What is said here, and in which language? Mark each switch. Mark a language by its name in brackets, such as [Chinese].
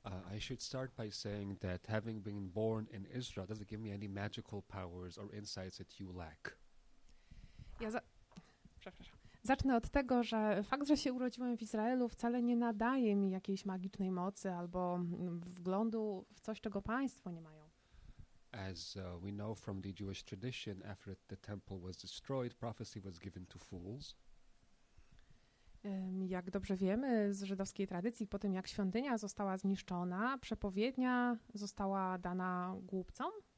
[English] I should start by saying that having been born in Israel doesn't give me any magical powers or insights that you lack. [Polish] Zacznę od tego, że fakt, że się urodziłem w Izraelu, wcale nie nadaje mi jakiejś magicznej mocy albo wglądu w coś, czego państwo nie mają. [English] As we know from the Jewish tradition, after the temple was destroyed, prophecy was given to fools. [Polish] Jak dobrze wiemy z żydowskiej tradycji, po tym jak świątynia została zniszczona, przepowiednia została dana głupcom.